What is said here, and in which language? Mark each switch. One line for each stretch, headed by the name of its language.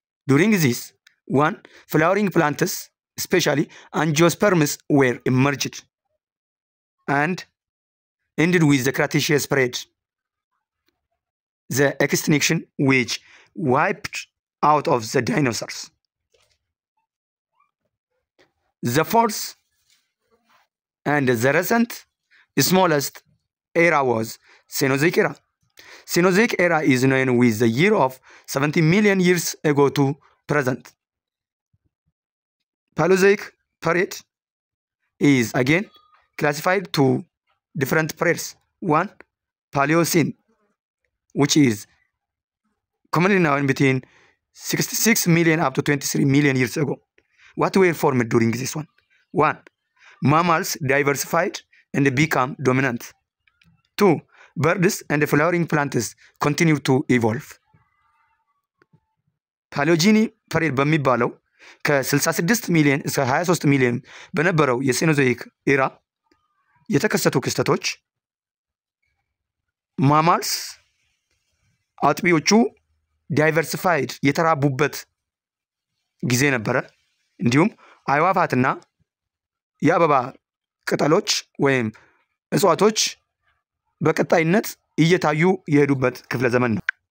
English: During this, one, flowering plants, especially angiosperms, were emerged and ended with the Cretaceous period, the extinction which wiped out of the dinosaurs. The fourth and the recent smallest era was Cenozoic era. Cenozoic era is known with the year of 70 million years ago to present. Paleozoic period is again classified to different periods. One, Paleocene, which is commonly known between 66 million up to 23 million years ago. What were formed during this one? One, mammals diversified and became dominant. Two, birds and flowering plants continued to evolve.
Amharic: ፓሊዮጂኒ ፐሬድ በሚባለው ከ66 ሚሊዮን እስከ 23 ሚሊዮን በነበረው የሲኖዞይክ ኢራ የተከሰቱ ክስተቶች ማማልስ አጥቢዎቹ ዳይቨርሲፋይድ የተራቡበት ጊዜ ነበር። እንዲሁም አይዋፋትና የአበባ ቅጠሎች ወይም እጽዋቶች በቀጣይነት እየታዩ የሄዱበት ክፍለ ዘመን ነው።